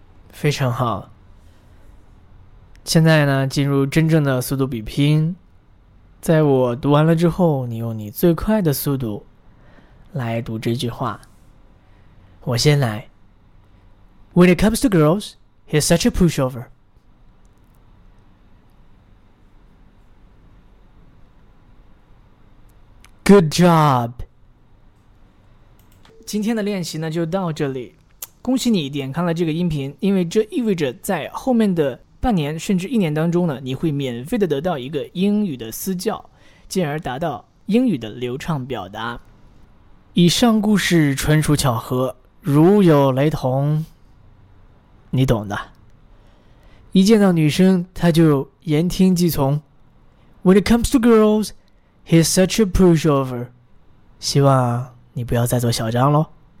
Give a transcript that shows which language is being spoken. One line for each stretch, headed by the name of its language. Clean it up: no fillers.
Chinese: 非常好。现在呢，进入真正的速度比拼。在我读完了之后，你用你最快的速度来读这句话。我先来。
English: When it comes to girls, he is such a pushover. Good job!
Chinese: 今天的练习呢就到这里。恭喜你点开了这个音频，因为这意味着在后面的半年甚至一年当中呢，你会免费的得到一个英语的私教，进而达到英语的流畅表达。以上故事纯属巧合，如有雷同，你懂的。一见到女生，他就言听计从。
English: When it comes to girls, he's such a pushover.
Chinese: 希望你不要再做小张咯。